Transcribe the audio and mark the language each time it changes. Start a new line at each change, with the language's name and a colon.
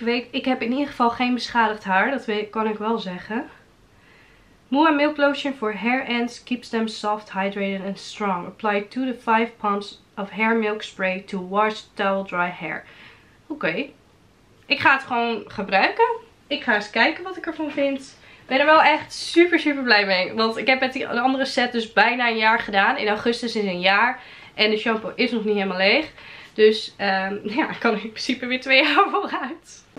Dutch: Ik heb in ieder geval geen beschadigd haar. Dat kan ik wel zeggen.
English: Moa Milk Lotion for hair ends keeps them soft, hydrated and strong. Apply 2-5 pumps of hair milk spray to wash towel dry hair.
Dutch: Oké. Ik ga het gewoon gebruiken. Ik ga eens kijken wat ik ervan vind. Ik ben er wel echt super super blij mee. Want ik heb met die andere set dus bijna een jaar gedaan. In augustus is een jaar. En de shampoo is nog niet helemaal leeg. Dus ja, ik kan in principe weer 2 jaar vooruit.